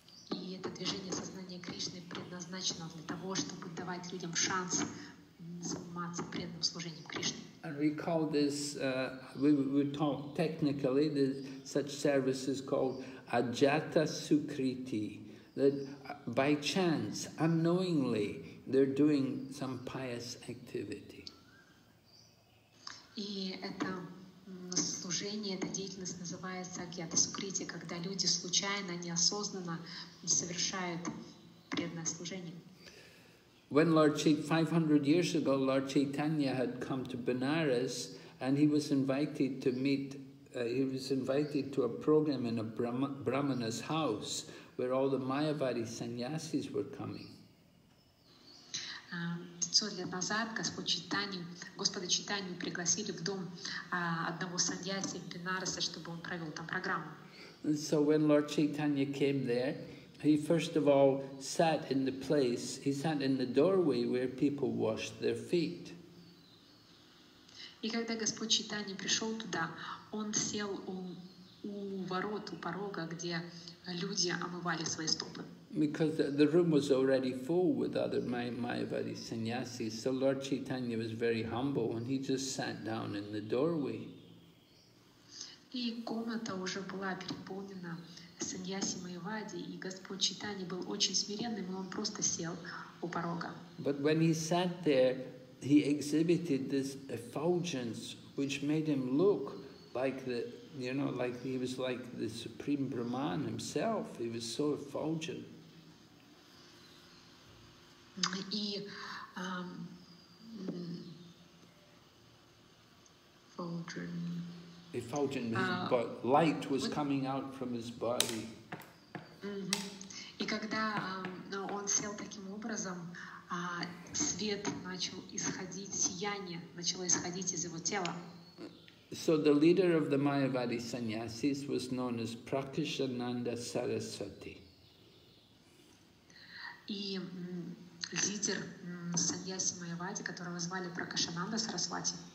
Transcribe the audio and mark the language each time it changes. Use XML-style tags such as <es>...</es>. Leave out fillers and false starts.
<ru>И это движение сознания Кришны предназначено для того, чтобы давать людям шанс заниматься преданным служением Кришне.</ru> <en>And we call this, we talk technically, this, such service is called Ajata Sukriti. That by chance, unknowingly, they're doing some pious activity.</en> <ru>И это служение, эта деятельность называется агьята-сукрити, когда люди случайно, неосознанно совершают преданное служение.</ru> <en>When Lord Chaitanya, 500 years ago, Lord Chaitanya had come to Benares, and he was invited to meet, he was invited to a program in a Brahmana's house, where all the Mayavadi sannyasis were coming.</en> <ru>500 лет назад Господа Чайтанью пригласили в дом одного саньяси в Бенарасе, чтобы он провел там программу.</ru> <en>So when Lord Chaitanya came there, he first of all sat in the place, he sat in the doorway where people washed their feet.</en> <ru>И когда Господь Чайтанья пришел туда, он сел у ворот, у порога, где люди омывали свои стопы.</ru> <en>Because the room was already full with other Mayavadi sannyasis, so Lord Chaitanya was very humble and he just sat down in the doorway.</en> <ru>И комната уже была переполнена саньяси Майвади, и Господь Чайтанья был очень смиренным, и он просто сел у порога.</ru> <en>But when he sat there, he exhibited this effulgence, which made him look like the, you know, like he was like the supreme Brahman himself. He was so effulgent.</en> <ru>И</ru> <en>Effulgent. Effulgent, but light was coming out from his body.</en> <ru>И когда он сел таким образом, свет начал исходить, сияние начало исходить из его тела.</ru> <en>So the leader of the Mayavadi sannyasis was known as Prakashananda Sarasvati.</en> <ru>И лидер саньяси Майявади, которого звали Пракашананда Сарасвати.</ru>